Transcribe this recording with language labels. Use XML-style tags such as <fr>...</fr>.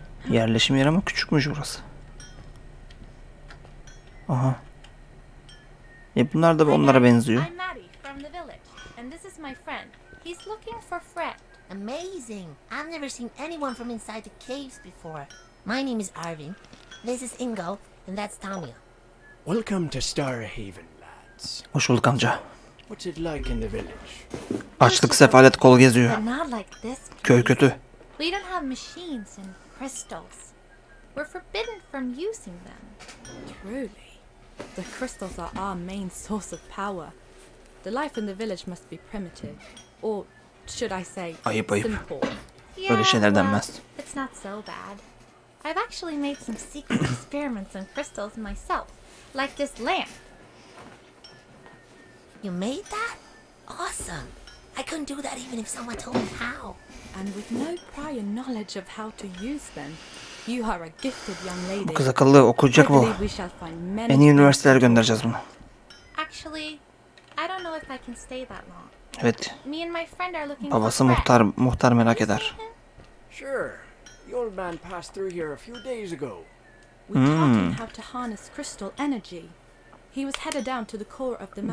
<tr>Yerleşim yeri ama küçükmüş burası. Aha. E bunlar da onlara benziyor.</tr> <en>I'm Maddie from the village, and this is my friend. He's looking for Fred. Amazing. I've never seen anyone from inside the caves before. My name is Arvin. This is Ingo. And that's Tommy. Welcome to Starhaven, lads.</en> <tr>Hoş bulduk amca.</tr> <en>What's it like in the village?</en> <tr>Açlık, sefalet, kol geziyor.</tr> <en>Not like this.</en> <tr>Köy kötü.</tr> <en>We don't have machines and crystals. We're forbidden from using them. Truly. The crystals are our main source of power. The life in the village must be primitive, or should I say,</en> <tr>ayıp,</tr> <en>simple.</en> <tr>Ayıp. Öyle şeyler denmez.</tr> <en>It's not so bad. I've actually made some secret experiments on crystals myself, like this lamp. You made that? Awesome. I couldn't do that even if someone told me how. And with no prior knowledge of how to use them, you are a gifted young lady.</en> <tr>Bu kız akıllı, okuyacak bu. En iyi üniversitelere göndereceğiz bunu.</tr> <en>Actually, I don't know if I can stay that long.</en> <tr>Evet.</tr> <en>Me and my friend are looking.</en> <tr>Babası muhtar, muhtar merak eder.</tr> <en>Sure. The old man passed through here a few days ago. We taught him how to harness crystal energy. He was headed down to the core of the mountain.</en>